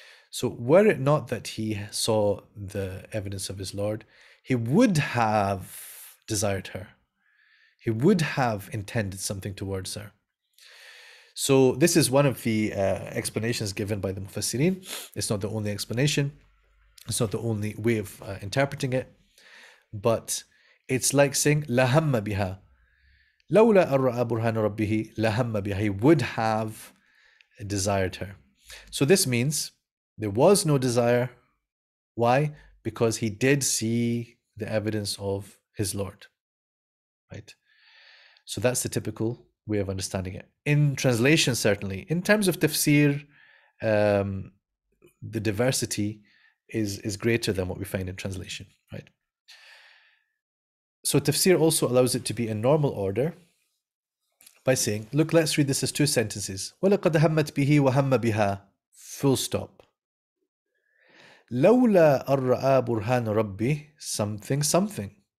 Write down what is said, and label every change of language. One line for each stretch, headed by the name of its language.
English: So were it not that he saw the evidence of his Lord, he would have desired her. He would have intended something towards her. So this is one of the explanations given by the Mufassirin. It's not the only explanation. It's not the only way of interpreting it. But it's like saying,
Arabic: لَهَمَّ بِهَا لَوْلَا أَرْرَأَ بُرْهَانُ رَبِّهِ لَهَمَّ بِهَا.
English: He would have desired her. So this means there was no desire. Why? Because he did see the evidence of his Lord. Right? So that's the typical way of understanding it. In translation, certainly. In terms of tafsir, the diversity is greater than what we find in translation, right? So tafsir also allows it to be in normal order by saying, look, let's read this as two sentences.
Arabic: وَلَقَدْ هَمَّتْ بِهِ وَهَمَّ بِهَا. Full stop. لَوْلَا أَرْرَآ بُرْهَانُ رَبِّي
English: something something.